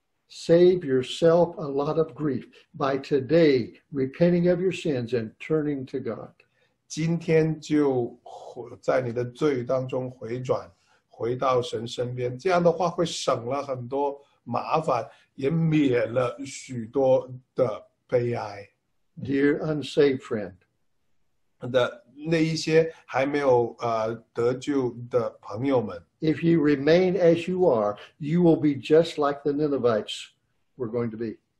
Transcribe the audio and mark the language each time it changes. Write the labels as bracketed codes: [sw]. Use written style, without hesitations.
[en] Save yourself a lot of grief by today repenting of your sins and turning to God. [zh] 今天就在你的罪当中回转，回到神身边，这样的话会省了很多麻烦，也免了许多的悲哀。 [en] Dear unsaved friend, [zh] 那一些还没有得救的朋友们， [en] If you remain as you are, you will be just like the Ninevites were going to be.